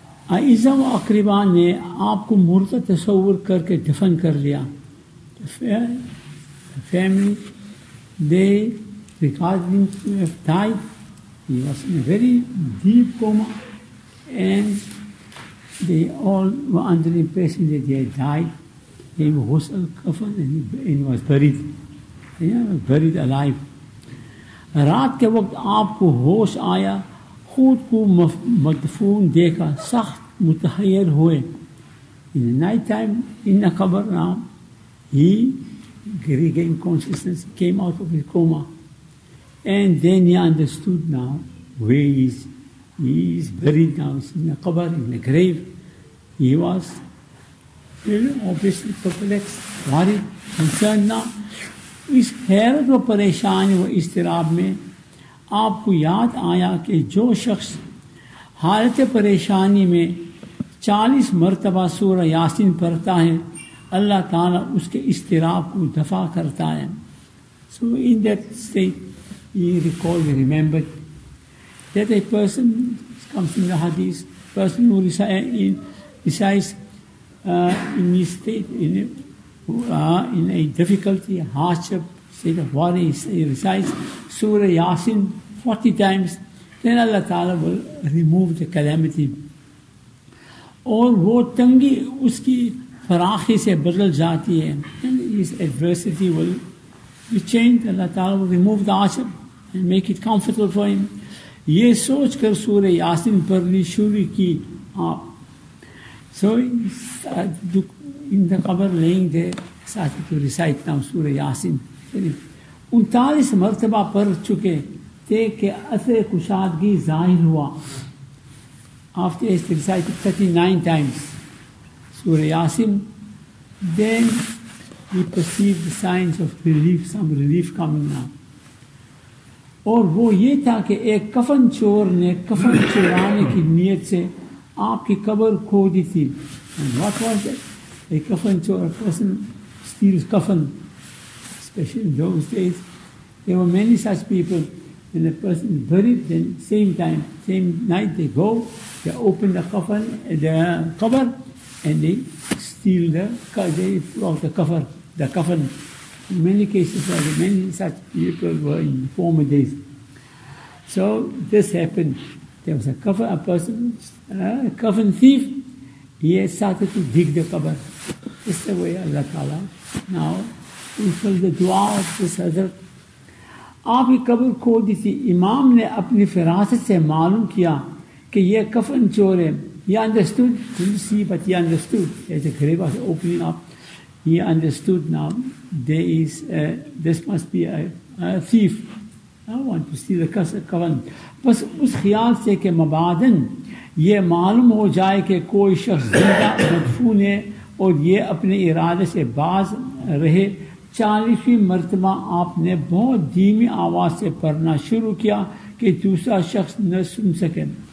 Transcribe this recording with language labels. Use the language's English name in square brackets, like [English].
[Urdu] عزا و اقربا نے آپ کو مردہ تصور کر کے دفن کر لیا. [English] The family, they regarded him to have died. He was in a very deep coma and they all were under the impression that he had died. He was hosted coffin and he was buried. Buried alive. [Urdu] رات کے وقت آپ کو ہوش آیا, خود کو مدفون دیکھا, سخت متحیر ہوئے. [English] In the night time, in the cover now, he regained consciousness, came out of his coma. And then he understood now where he is buried now. He's in the cover, in the grave. He was obviously perplexed, worried, concerned now. [Urdu] اس حیرت و پریشانی و اضطراب میں آپ کو یاد آیا کہ جو شخص حالت پریشانی میں 40 مرتبہ سورہ یاسین پڑھتا ہے, اللہ تعالیٰ اس کے اضطراب کو دفع کرتا ہے. [English] So in that state, he recalled, he remembered that a person, this comes in the hadith, person who recites in his state, in a difficulty, a hardship, state of worry, he recites Surah Yasin 40 times, then Allah Ta'ala will remove the calamity. [Urdu] اور وہ تنگی اس کی فراخی سے بدل جاتی ہے. [English] And his adversity will be changed. Allah Ta'ala will remove the hardship and make it comfortable for him. [Urdu] یہ سوچ کر Surah Yasin پڑھنی شروع کی آپ. [English] So in the cover laying there, started to recite now Surah Yasin. [Urdu] 39 مرتبہ پڑھ چکے تھے کہ اثر کشادگی ظاہر ہوا. [English] After he recited 39 times Surah Yasin, then he perceived the signs of relief, some relief coming now. [Urdu] اور وہ یہ تھا کہ ایک کفن چور نے کفن چورانے کی نیت سے آپ کی قبر کھو دی تھی. [English] And what was that? A coffin chore, a person steals coffin, especially in those days. There were many such people, and a person is buried, then same time, same night they go, they open the coffin, the cover, and they steal the, they throw the cover, the coffin. In many cases, many such people were in former days. So this happened. There was a coffin thief, he had started to dig the cover. This is the way Allah Ta'ala now fulfilled the dua of this Hazrat. [Urdu] آپ کی قبر کھو دی تھی, امام نے اپنی فراست سے معلوم کیا کہ یہ کفن چور ہے. [English] He understood, didn't see, but he understood. As the grave was opening up, he understood now, this must be a thief. I want to steal the coffin. [Urdu] بس اس خیال سے کہ مبادن یہ معلوم ہو جائے کہ کوئی شخص زندہ مدفون ہے اور یہ اپنے ارادے سے باز رہے, 40 مرتبہ آپ نے بہت دھیمی آواز سے پڑھنا شروع کیا کہ دوسرا شخص نہ سن سکے.